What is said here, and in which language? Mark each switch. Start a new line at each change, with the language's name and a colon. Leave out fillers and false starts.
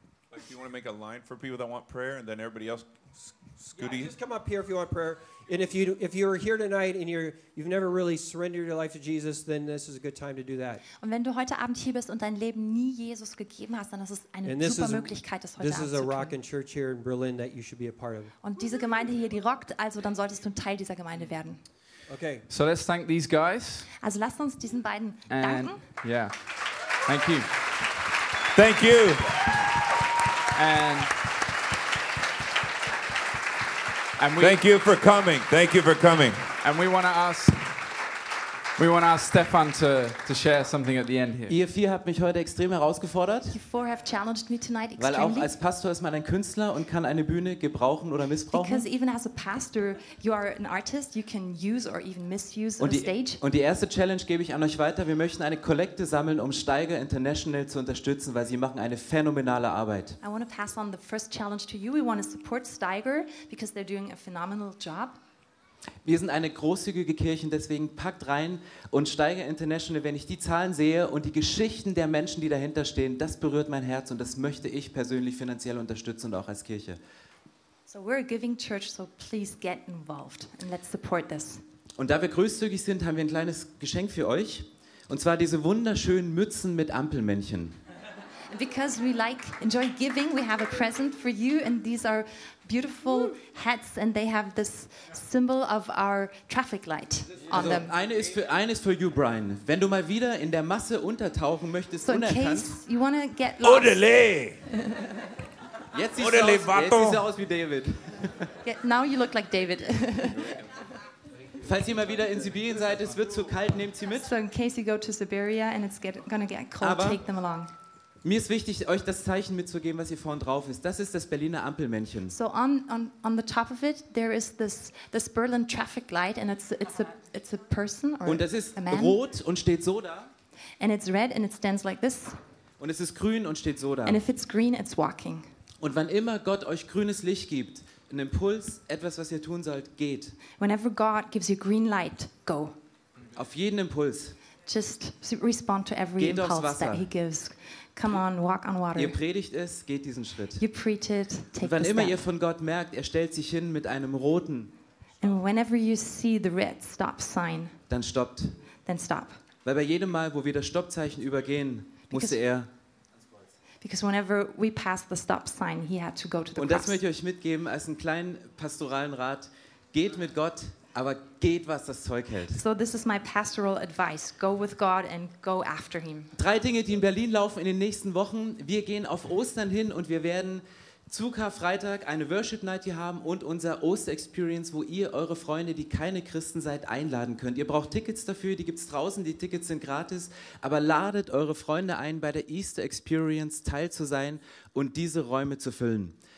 English: Like, do you want to make a line for people that want prayer, and then everybody else scooty? Yeah, just come up here if you want prayer. And if you're here tonight and you've never really surrendered your life to Jesus, then this is a good time to do that.
German: Und wenn du heute Abend hier bist und dein Leben nie Jesus gegeben hast, dann ist es eine super Möglichkeit, das heute Abend zu tun.
English: This is a rocking church here in Berlin that you should be a part of.
German: Und diese Gemeinde hier, die rockt, also dann solltest du ein Teil dieser Gemeinde werden.
English: Okay. So let's thank these guys.
German: Also lasst uns diesen beiden danken.
English: Yeah. Thank you. Thank you. And we, thank you for coming. Thank you for coming. And we want to ask Stefan to share something at the end here.
German: Ihr vier habt mich heute extrem herausgefordert.
English: You four have challenged me tonight extremely.
German: Weil auch als Pastor ist man ein Künstler und kann eine Bühne gebrauchen oder missbrauchen.
English: Because even as a pastor, you are an artist, you can use or even misuse a stage.
German: Und die erste Challenge gebe ich an euch weiter. Wir möchten eine Kollekte sammeln, um Steiger International zu unterstützen, weil sie machen eine phänomenale Arbeit.
English: I want to pass on the first challenge to you. We want to support Steiger because they're doing a phenomenal job.
German: Wir sind eine großzügige Kirche und deswegen packt rein und Steiger International, wenn ich die Zahlen sehe und die Geschichten der Menschen, die dahinter stehen, das berührt mein Herz und das möchte ich persönlich finanziell unterstützen und auch als Kirche.
English: So we're a giving church, so please get involved and let's support this.
German: Und da wir großzügig sind, haben wir ein kleines Geschenk für euch und zwar diese wunderschönen Mützen mit Ampelmännchen.
English: Because we like enjoy giving, we have a present for you and these are beautiful hats and they have this symbol of our traffic light on them.
German: Eine ist für you, Brian. Wenn du mal wieder in der Masse untertauchen möchtest, so unerkannt.
English: You want to get lost. Odele.
German: Jetzt siehst du aus wie David.
English: Now you look like David.
German: Falls ihr mal wieder in Sibirien seid, es wird zu kalt, nehmt sie mit.
English: So in case you go to Siberia and it's gonna get cold,
German: aber
English: take them along.
German: Mir ist wichtig, euch das Zeichen mitzugeben, was hier vorne drauf ist. Das ist das Berliner Ampelmännchen.
English: So on the top of it, there is this Berlin traffic light and it's a person or a man.
German: Und das ist rot und steht so da.
English: And it's red and it stands like this.
German: Und es ist grün und steht so da.
English: And if it's green, it's walking.
German: Und wann immer Gott euch grünes Licht gibt, ein Impuls, etwas, was ihr tun sollt, geht.
English: Whenever God gives you green light, go.
German: Auf jeden Impuls.
English: Just respond to every
German: geht
English: impulse that he gives. Come on, walk on water.
German: Ihr predigt es, geht diesen Schritt.
English: You preach it, take the step.
German: Wann immer ihr von Gott merkt, er stellt sich hin mit einem roten.
English: And whenever you see the red stop sign.
German: Dann stoppt.
English: Then stop.
German: Weil bei jedem Mal, wo wir das Stoppzeichen übergehen, musste er.
English: Because whenever we pass the stop sign, he had to go to the cross.
German: Und das möchte ich euch mitgeben als einen kleinen pastoralen Rat: Geht mit Gott, aber geht, was das Zeug hält.
English: So this is my pastoral advice: Go with God and go after him.
German: Drei Dinge, die in Berlin laufen in den nächsten Wochen: Wir gehen auf Ostern hin und wir werden zu Karfreitag eine Worship Night hier haben und unser Osterexperience, wo ihr eure Freunde, die keine Christen seid, einladen könnt. Ihr braucht Tickets dafür, die gibt's draußen, die Tickets sind gratis, aber ladet eure Freunde ein, bei der Easter Experience teil zu sein und diese Räume zu füllen.